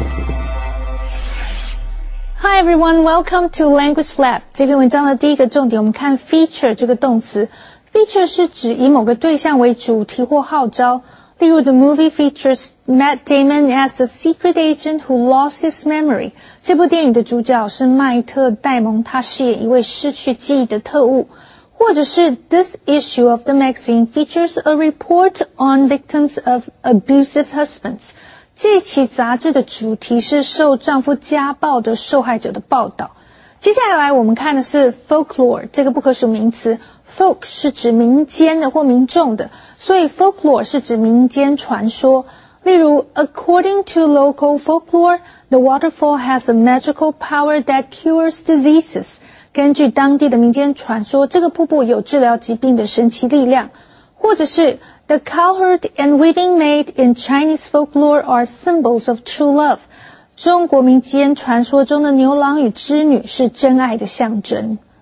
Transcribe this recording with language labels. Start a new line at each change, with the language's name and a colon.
English: Hi everyone, welcome to Language Lab.
Chinese: 这篇文章的第一个重点，我们看 feature 这个动词。Feature 是指以某个对象为主题或号召。例如
English: ,the movie features Matt Damon as a secret agent who lost his memory.
Chinese: 这部电影的主角是麦特·戴蒙，他饰演一位失去记忆的特务。或者是
English: ,this issue of the magazine features a report on victims of abusive husbands.
Chinese: 这期杂志的主题是受丈夫家暴的受害者的报道。接下来我们看的是 folklore 这个不可数名词。 folk 是指民间的或民众的，所以 folklore 是指民间传说。例如
English: ,according to local folklore, the waterfall has a magical power that cures diseases.
Chinese: 根据当地的民间传说，这个瀑布有治疗疾病的神奇力量。或者是
English: The cowherd and weaving maid in Chinese folklore are symbols of true love.
Chinese: 中国民间传说中的牛郎与织女是真爱的象征。